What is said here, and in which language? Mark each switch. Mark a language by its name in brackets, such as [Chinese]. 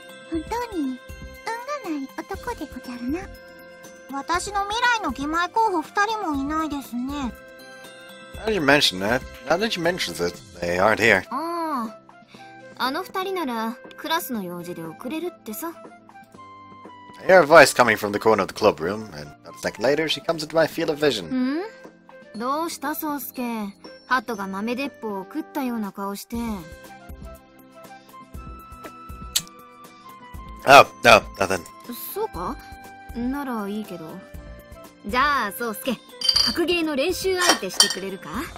[Japanese] 本当に運がない男でござるな。私の未来の義妹候補二人もいないですね。 [English] How did you mention that? How did you mention that they aren't here? [Japanese] あの二人ならクラスの用事で遅れるってさ。 [English] I hear a voice coming from the corner of the club room, and about a second later, she comes into my field of vision. [Japanese] ん？どうしたソウスケ？ハトが豆鉄砲を食ったような顔して。 [English] Oh, no, nothing. [Japanese] そうか？ならいいけど。じゃあ、ソウスケ、格ゲーの練習相手してくれるか？